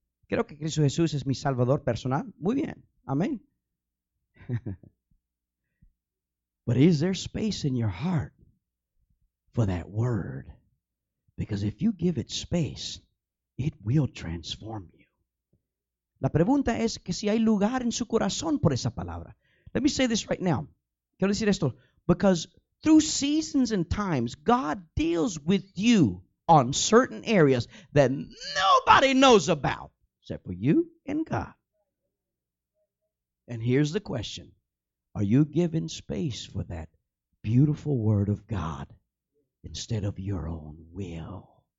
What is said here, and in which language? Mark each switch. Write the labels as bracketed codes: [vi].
[es] Creo que Cristo Jesús es mi Salvador personal. Muy bien. Amen. [en] But is there space in your heart for that word? Because if you give it space, it will transform you. [es] La pregunta es que si hay lugar en su corazón por esa palabra. [en] Let me say this right now. [es] Quiero decir esto. [en] Because through seasons and times, God deals with you on certain areas that nobody knows about, except for you and God. And here's the question. Are you giving space for that beautiful word of God instead of your own will?